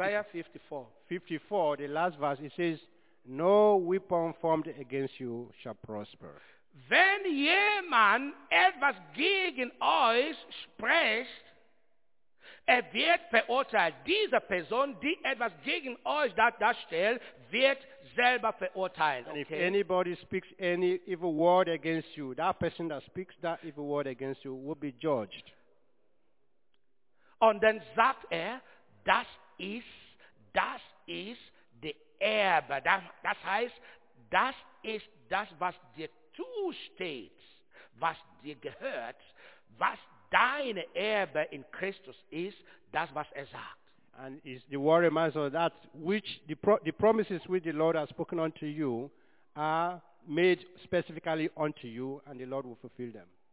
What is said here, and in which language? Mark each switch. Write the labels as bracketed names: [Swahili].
[English] 54, the last verse, it says, no weapon formed against you shall prosper. [German] Wenn jemand etwas gegen euch spricht, wird verurteilt. Diese Person, die etwas gegen euch darstellt, wird selber verurteilt. [English] And if anybody speaks any evil word against you, that person that speaks that evil word against you will be judged. [German] Und dann sagt das ist die Erbe. Das heißt, das ist das, was dir zusteht, was dir gehört, was deine Erbe in Christus ist, das, was sagt. [English] And is the word reminds us that which the promises which the Lord has spoken unto you are made specifically unto you, and the Lord will fulfill them.